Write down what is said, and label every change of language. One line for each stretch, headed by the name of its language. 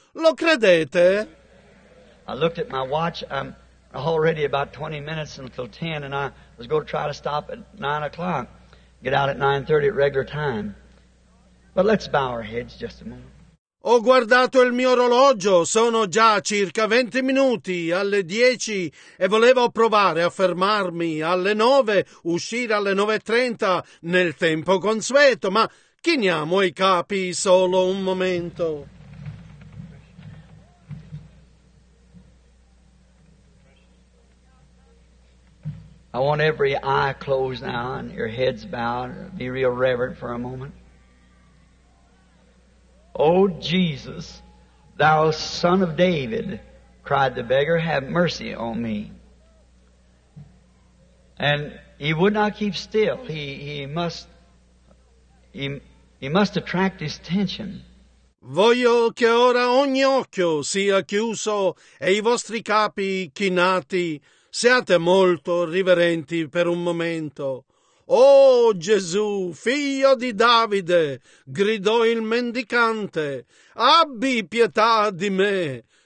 Italian: Lo credete?
English: I looked at my watch. I'm already about 20 minutes until 10, and I was going to try to stop at 9 o'clock. Get out at 9:30 at regular time. But let's bow our heads just a moment.
Italian: Ho guardato il mio orologio, sono già circa 20 minuti alle 10 e volevo provare a fermarmi alle 9, uscire alle 9:30 nel tempo consueto, ma chiniamo i capi solo un momento.
English: I want every eye closed now and your heads bowed. Be real reverent for a moment. Oh, Jesus, thou son of David, cried the beggar, have mercy on me. And he would not keep still. He must attract his attention.
Italian: Voglio che ora ogni occhio sia chiuso e i vostri capi chinati. Siate molto riverenti per un momento. «Oh, Gesù, figlio di Davide!» gridò il mendicante. «Abbi pietà di me!»